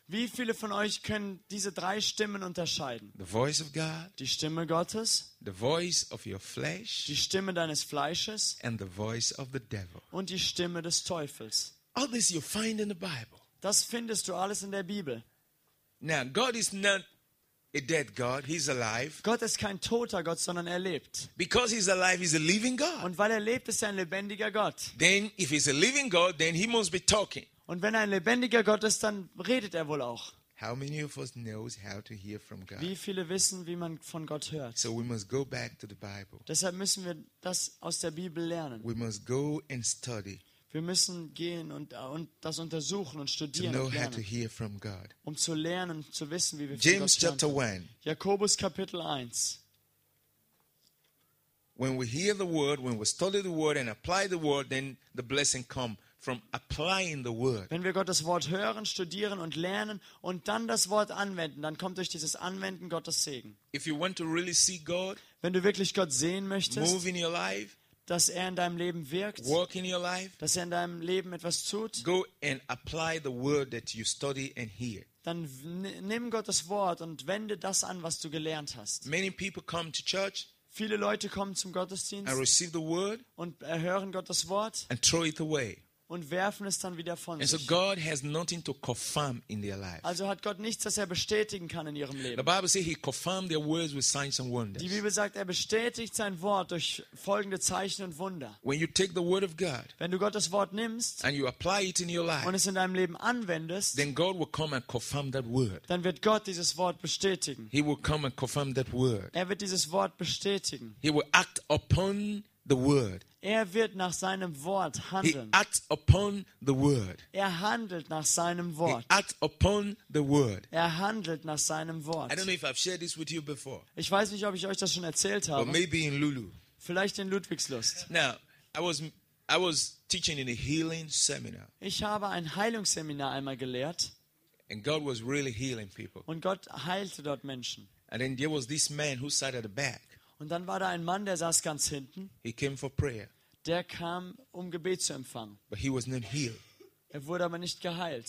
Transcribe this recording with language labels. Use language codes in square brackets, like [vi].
[de] Wie viele von euch können diese drei Stimmen unterscheiden? [en] The voice of God. [de] Die Stimme Gottes. [en] The voice of your flesh. [de] Die Stimme deines Fleisches. [en] And the voice of the devil. [de] Und die Stimme des Teufels. [en] All this you find in the Bible. [de] Das findest du alles in der Bibel. [en] Now God is not a dead God, he's alive. [de] Gott ist kein toter Gott, sondern er lebt. [en] Because he's alive, he's a living God. [de] Und weil er lebt, ist er ein lebendiger Gott. [en] Then if he's a living God, then he must be talking. [de] Und wenn er ein lebendiger Gott ist, dann redet er wohl auch. [en] How many of us knows how to hear from God? [de] Wie viele wissen, wie man von Gott hört? [en] So we must go back to the Bible. [de] Deshalb müssen wir das aus der Bibel lernen. [en] We must go and study. [de] Wir müssen gehen und das untersuchen und studieren, [en] to know [de] und lernen, [en] how to hear from God. [de] Um zu lernen, zu wissen, wie wir von [en] James [de] Gott hören. [en] James chapter 1. [de] Jakobus Kapitel 1. [en] When we hear the word, when we study the word and apply the word, then the blessing come from applying the word. [de] Wenn wir Gottes Wort hören, studieren und lernen und dann das Wort anwenden, dann kommt durch dieses Anwenden Gottes Segen. [en] If you want to really see God, [de] wenn du wirklich Gott sehen möchtest, [en] move in your life, [de] dass er in deinem Leben wirkt, [en] work in your life, [de] dass er in deinem Leben etwas tut, [en] go and apply the word that you study and hear. [de] Dann nimm Gottes Wort und wende das an, was du gelernt hast. [en] Many people come to church. [de] Viele Leute kommen zum Gottesdienst [en] and receive the word [de] und erhören Gottes Wort [en] and throw it away [de] und werfen es dann wieder von [en] and [de] sich. [en] So God has nothing to confirm in their life. [de] Also hat Gott nichts, das er bestätigen kann in ihrem Leben. [en] The Bible says he confirmed their words with signs and wonders. [de] Die Bibel sagt, er bestätigt sein Wort durch folgende Zeichen und Wunder. [en] When you take the word of God, [de] wenn du Gottes Wort nimmst [en] and you apply it in your life, [de] und es in deinem Leben anwendest, [en] then God will come and confirm that word. [de] Dann wird Gott dieses Wort bestätigen. [en] He will come and confirm that word. [de] Er wird dieses Wort bestätigen. [en] He will act upon the word. [de] Er wird nach seinem Wort handeln. [en] He acts upon the word. [de] Er handelt nach seinem Wort. [en] He acts upon the word. [de] Er handelt nach seinem Wort. [en] I don't know if I've shared this with you before. [de] Ich weiß nicht, ob ich euch das schon erzählt habe. [en] Or maybe in Lulu. [de] Vielleicht in Ludwigslust. [en] Now, I was teaching in a healing seminar. [de] Ich habe ein Heilungsseminar einmal gelehrt. [en] And God was really healing people. [de] Und Gott heilte dort Menschen. [en] And then there was this man who sat at the back. [de] Und dann war da ein Mann, der saß ganz hinten. [en] He came for prayer. [de] Der kam, um Gebet zu empfangen. [en] But he was not healed. [de] Er wurde aber nicht geheilt.